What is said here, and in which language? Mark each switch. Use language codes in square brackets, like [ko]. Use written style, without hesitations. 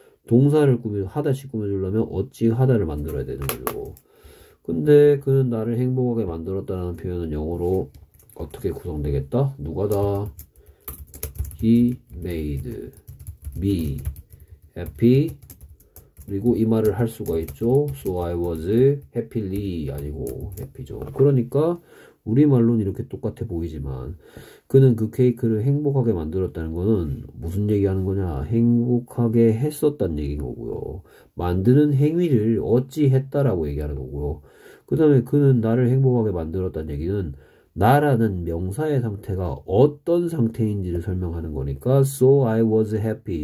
[ko] 동사를 하다시 꾸며주려면 어찌하다를 만들어야 되는 거죠. 근데 그는 나를 행복하게 만들었다라는 표현은 영어로 어떻게 구성되겠다? 누가다? [en] He made me happy. [ko] 그리고 이 말을 할 수가 있죠. [en] So I was happily 아니고 happy죠. [ko] 그러니까 우리말로는 이렇게 똑같아 보이지만 그는 그 케이크를 행복하게 만들었다는 거는 무슨 얘기하는 거냐? 행복하게 했었다는 얘기인 거고요. 만드는 행위를 어찌했다라고 얘기하는 거고요. 그 다음에 그는 나를 행복하게 만들었다는 얘기는 나라는 명사의 상태가 어떤 상태인지를 설명하는 거니까 [en] So I was happy.